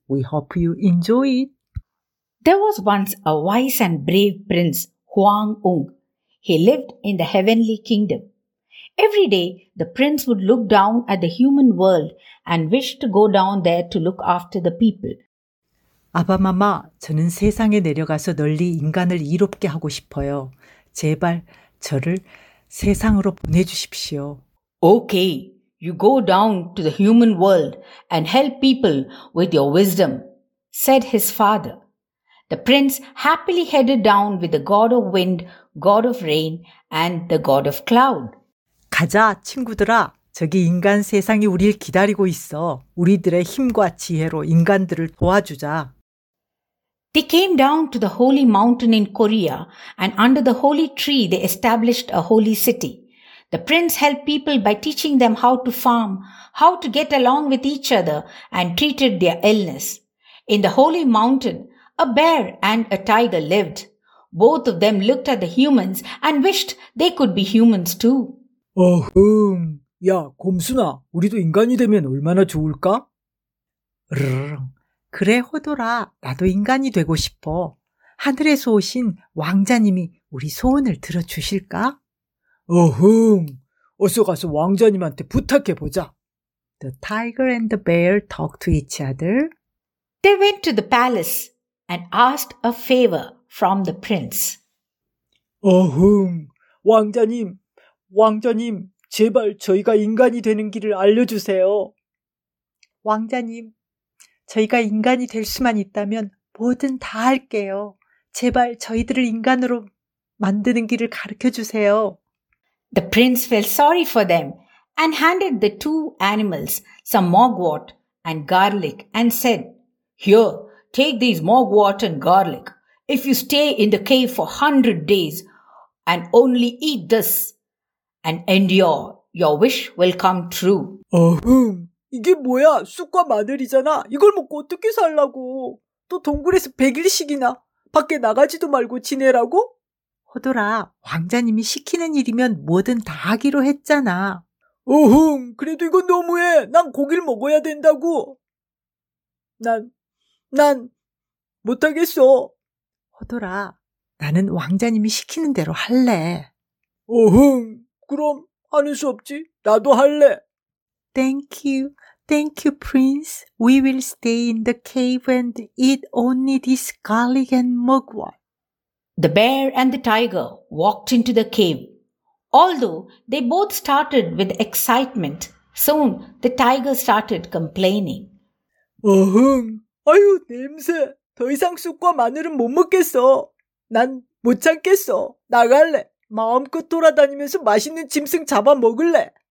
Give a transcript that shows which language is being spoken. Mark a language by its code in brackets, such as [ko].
[en] We hope you enjoy it. There was once a wise and brave prince, Hwang Ung. He lived in the heavenly kingdom. Every day, the prince would look down at the human world and wish to go down there to look after the people. [ko] 아바마마, 저는 세상에 내려가서 널리 인간을 이롭게 하고 싶어요. 제발 저를 세상으로 보내주십시오. [en] Okay. You go down to the human world and help people with your wisdom, said his father. The prince happily headed down with the god of wind, god of rain, and the god of cloud. [ko] 가자, 친구들아. 저기 인간 세상이 우리를 기다리고 있어. 우리들의 힘과 지혜로 인간들을 도와주자. [en] They came down to the holy mountain in Korea, and under the holy tree they established a holy city. The prince helped people by teaching them how to farm, how to get along with each other, and treated their illness. In the holy mountain, a bear and a tiger lived. Both of them looked at the humans and wished they could be humans too. [ko] 어흥, 야, 곰순아, 우리도 인간이 되면 얼마나 좋을까? 그래, 호돌아, 나도 인간이 되고 싶어. 하늘에서 오신 왕자님이 우리 소원을 들어주실까? 어흥, 어서 가서 왕자님한테 부탁해보자. [en] The tiger and the bear talked to each other. They went to the palace and asked a favor from the prince. [ko] 어흥, 왕자님, 왕자님, 제발 저희가 인간이 되는 길을 알려주세요. 왕자님, 저희가 인간이 될 수만 있다면 뭐든 다 할게요. 제발 저희들을 인간으로 만드는 길을 가르쳐주세요. [en] The prince felt sorry for them and handed the two animals some mugwort and garlic and said, Here, take these mugwort and garlic. If you stay in the cave for 100 days and only eat this and endure, your wish will come true. [ko] 이게 뭐야? 쑥과 마늘이잖아. 이걸 먹고 어떻게 살라고. 또 동굴에서 100일씩이나 밖에 나가지도 말고 지내라고? 호돌아, 왕자님이 시키는 일이면 뭐든 다 하기로 했잖아. 어흥, 그래도 이건 너무해. 난 고기를 먹어야 된다고. 난 못하겠어. 호돌아, 나는 왕자님이 시키는 대로 할래. 어흥, 그럼 하는 수 없지. 나도 할래. [en] Thank you, Prince. We will stay in the cave and eat only this garlic and mugwort. The bear and the tiger walked into the cave. Although they both started with excitement, soon the tiger started complaining. [ko] 어흥, 아유, 냄새. 더 이상 쑥과 마늘은 못 먹겠어. 난 못 참겠어. 나갈래. 마음껏 돌아다니면서 맛있는 짐승 잡아 먹을래.